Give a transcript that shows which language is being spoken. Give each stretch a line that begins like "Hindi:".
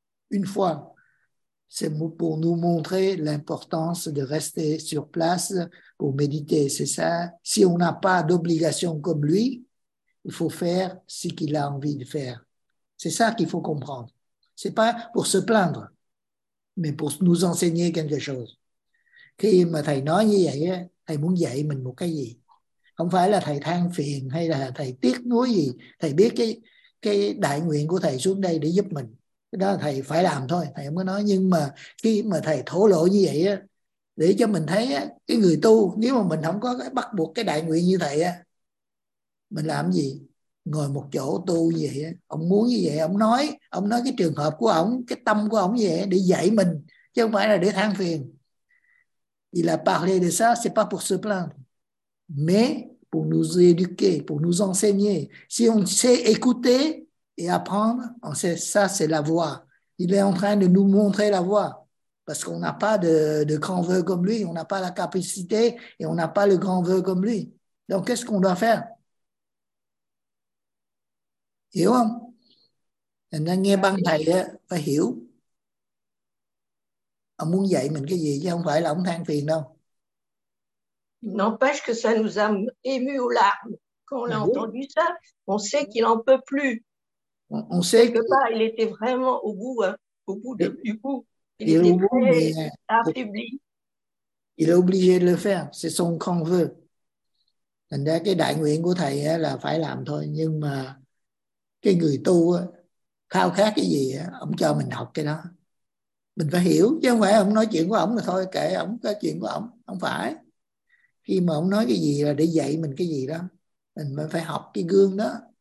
French: Une fois, c'est pour nous montrer l'importance de rester sur place pour méditer, c'est ça. Si on n'a pas d'obligation comme lui, il faut faire ce qu'il a envie de faire. C'est ça qu'il faut comprendre. Ce n'est pas pour se plaindre, mais pour nous enseigner quelque chose. Quand
Vietnamese: thầy nói như vậy, thầy muốn dạy mình một cái gì. Không phải là thầy than phiền hay là thầy tiếc nuối gì. Thầy biết cái đại nguyện của thầy xuống đây để giúp mình. Cái đó là thầy phải làm thôi. Thầy mới nói, nhưng mà khi mà thầy thổ lộ như vậy á, để cho mình thấy á, cái người tu, nếu mà mình không có cái bắt buộc cái đại nguyện như thầy á, mình làm gì? Ngồi một chỗ tu như vậy á, ông muốn như vậy, ông nói cái trường hợp của ông, cái tâm của ông như vậy để dạy mình, chứ không phải là để than phiền.
French: Il a parlé de ça, c'est pas pour se plaindre. Mais pour nous éduquer, pour nous enseigner. Si on sait écouter et apprendre, on sait ça, c'est la voie. Il est en train de nous montrer la voie. Parce qu'on n'a pas de grand vœu comme lui, on n'a pas la capacité et on n'a pas le grand vœu comme lui. Donc, qu'est-ce qu'on doit faire?
Vietnamese: Hiểu không? Anh nghe băng thầy phải hiểu. Ông muốn dạy mình cái gì chứ không phải là ông than phiền đâu.
French: N'empêche que ça nous a ému aux larmes quand on a entendu ça. On sait qu'il en peut plus. On sait que pas, il était vraiment au bout, hein, au bout de, du bout. Il était bout, très affaibli. Il est obligé de le faire. C'est son grand vœu.
Vietnamese: Thành ra cái đại nguyện của thầy là phải làm thôi. Nhưng mà cái người tu khao khát cái gì, ông cho mình học cái đó. Mình phải hiểu chứ không phải ông nói chuyện của ông là thôi, kệ ông có chuyện của ông, không phải. Khi mà ông nói cái gì là để dạy mình cái gì đó, mình mới phải học cái gương đó.